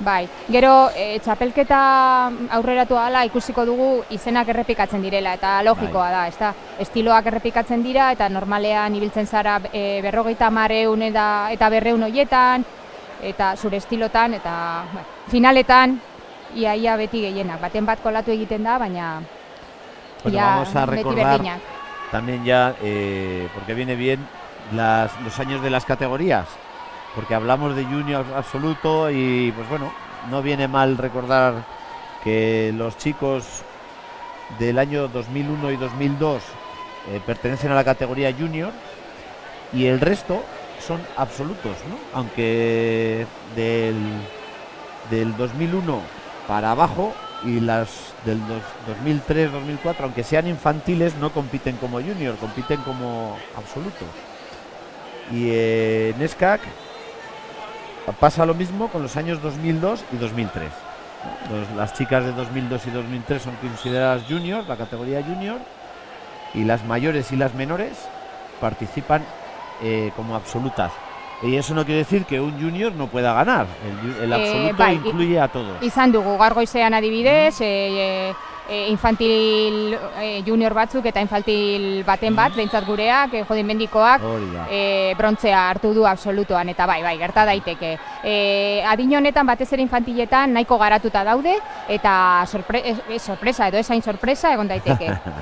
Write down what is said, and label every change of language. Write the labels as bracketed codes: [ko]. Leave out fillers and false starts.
[eu] Bai, gero txapelketa aurreratu ahala ikusiko dugu izenak errepikatzen direla, eta logikoa bai. Da, ez da, estiloak errepikatzen dira, eta normalean ibiltzen zara 50-100 eta 200 hoietan, eta zure estilotan, eta bai, finaletan, ia beti gehienak, baten bat kolatu egiten da, baina bueno, ia, [es] vamos a [eu] beti berdinak. [es] También ya, porque viene bien, los años de las categorías. Porque hablamos de junior absoluto y, pues bueno, no viene mal recordar que los chicos del año 2001 y 2002 pertenecen a la categoría junior y el resto son absolutos, ¿no? Aunque del 2001 para abajo y las del 2003-2004, aunque sean infantiles, no compiten como junior, compiten como absolutos. Y en SCAC pasa lo mismo con los años 2002 y 2003. Las chicas de 2002 y 2003 son consideradas junior, la categoría junior, y las mayores y las menores participan como absolutas. Y eso no quiere decir que un junior no pueda ganar. El absoluto bai, incluye a todos. [eu] Izan dugu, gaur goizean adibidez, infantil junior batzuk eta infantil baten bat, behintzat gureak, jodin mendikoak, brontzea hartu du absolutuan, eta bai, gerta daiteke. Adin honetan, batez ere infantiletan, nahiko garatuta daude, eta sorpresa, edo esain sorpresa, egon daiteke.